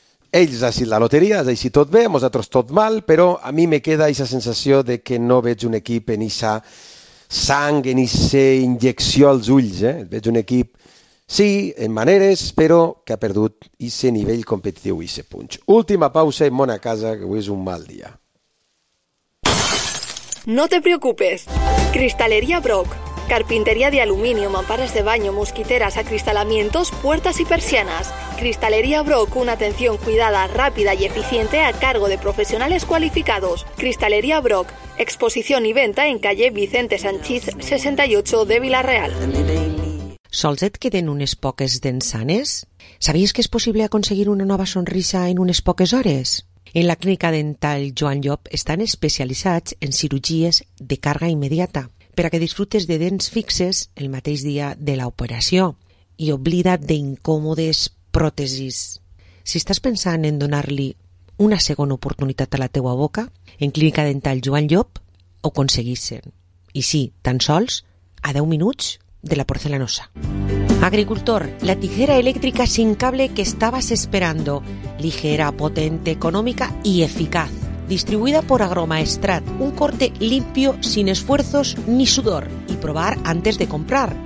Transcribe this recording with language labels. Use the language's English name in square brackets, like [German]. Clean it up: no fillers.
[Catalan] Ells ha sigut la loteria, ha sigut tot bé, nosaltres tot mal, però a mi me queda aquesta sensació de que no veig un equip en aquesta sang, en aquesta injecció als ulls. Veig un equip, sí, en maneres, però que ha perdut aquest nivell competitiu i aquest punx. Última pausa i mona a casa, que avui és un mal dia. [Spanish] No te preocupes. Cristalería Brock. Carpintería de aluminio, mamparas de baño, mosquiteras, acristalamientos, puertas y persianas. Cristalería Brock, una atención cuidada, rápida y eficiente a cargo de profesionales cualificados. Cristalería Brock. Exposición y venta en calle Vicente Sanchiz, 68 de Villarreal. [Catalan] ¿Sols et queden unes poques dents sanes? ¿Sabies que és possible aconseguir una nova sonrisa en unes poques hores? En la Clínica Dental Joan Llop estan especialitzats en cirurgies de càrrega immediata per a que disfrutes de dents fixes el mateix dia de l'operació i oblida't d'incòmodes pròtesis. Si estàs pensant en donar-li una segona oportunitat a la teua boca, en Clínica Dental Joan Llop ho aconseguissen. I sí, tan sols a 10 minuts de la porcelanosa. [Spanish] Agricultor, la tijera eléctrica sin cable que estabas esperando. Ligera, potente, económica y eficaz. Distribuida por Agromaestrat. Un corte limpio, sin esfuerzos ni sudor. Y probar antes de comprar.